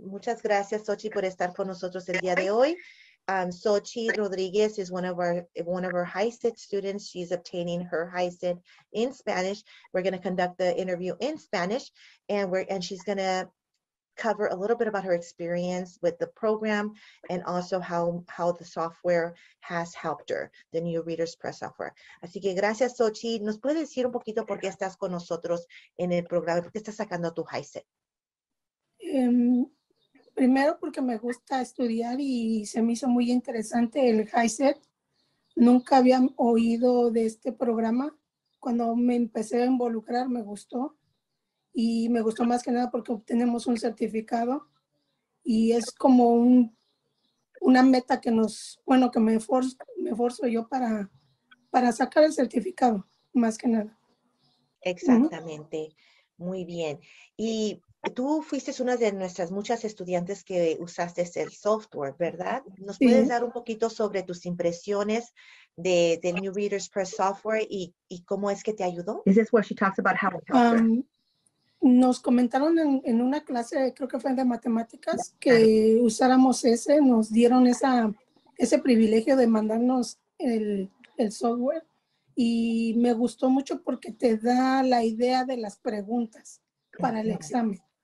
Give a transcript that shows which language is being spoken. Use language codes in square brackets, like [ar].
[es] Muchas gracias, Sochi, por estar con nosotros el día de hoy. [en] Sochi Rodriguez is one of our HiSET students. She's obtaining her HiSET in Spanish. We're going to conduct the interview in Spanish, and she's going to cover a little bit about her experience with the program and also how the software has helped her, the New Readers Press software. [es] Así que gracias, Sochi. ¿Nos puedes decir un poquito por qué estás con nosotros en el programa? ¿Por qué estás sacando tu HiSET? Primero porque me gusta estudiar y se me hizo muy interesante el HiSET. Nunca había oído de este programa. Cuando me empecé a involucrar, me gustó. Y me gustó más que nada porque obtenemos un certificado y es como una meta que me forzo yo para sacar el certificado, más que nada. Exactamente. Uh-huh. Muy bien. Y Tú fuiste una de nuestras muchas estudiantes que usaste el software, ¿verdad? ¿Nos puedes dar un poquito sobre tus impresiones de the New Readers Press software y cómo es que te ayudó? [en] Is this where she talks about how it helped her? [es] Nos comentaron en una clase, creo que fue de matemáticas, que usáramos ese, nos dieron ese privilegio de mandarnos el software y me gustó mucho porque te da la idea de las preguntas para el examen.